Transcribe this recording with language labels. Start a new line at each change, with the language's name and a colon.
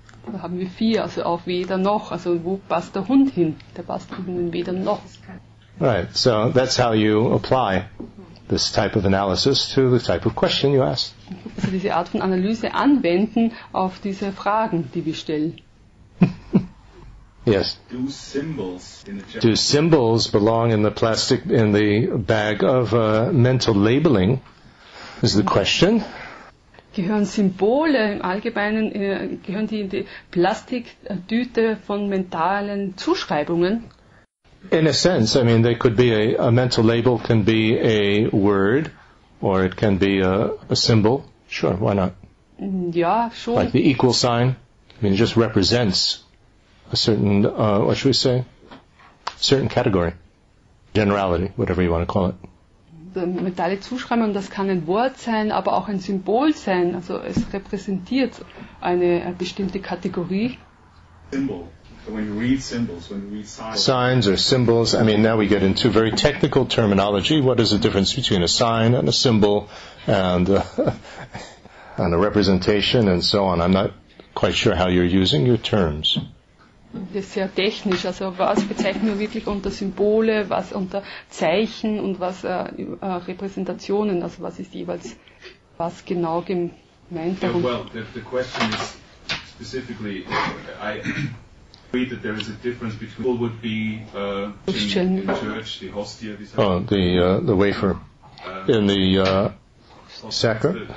German: Da haben wir vier, also auf weder noch. Also wo passt der Hund hin? Der passt eben in weder noch.
English: Right, so that's how you apply this type of analysis to the type of question you ask.
German: Also diese Art von Analyse anwenden auf diese Fragen, die wir stellen.
English: Yes. Do symbols belong in the plastic, in the bag of mental labeling, is the question.
German: Gehören Symbole im Allgemeinen, gehören die in die Plastiktüte von mentalen Zuschreibungen?
English: In a sense, I mean, they could be a mental label can be a word, or it can be a symbol. Sure, why not?
German: Ja, schon.
English: Like the equal sign. I mean, it just represents a certain, what should we say? A certain category. Generality, whatever you want to call it.
German: Metalle Zuschreibung, das kann ein Wort sein, aber auch ein Symbol sein. Also es repräsentiert eine bestimmte Kategorie.
English: Symbol. When you read symbols, when you read signs. Signs or symbols, I mean, now we get into very technical terminology. What is the difference between a sign and a symbol and a representation and so on? I'm not quite sure how you're using your terms.
German: Das ist sehr technisch. Also was bezeichnen wir wirklich unter Symbole, was unter Zeichen und was Repräsentationen? Also was ist jeweils, was genau gemeint?
English: Yeah, well, the question is specifically, I agree that there is a difference between what would be in the church, the hostia, the wafer in the sacrament.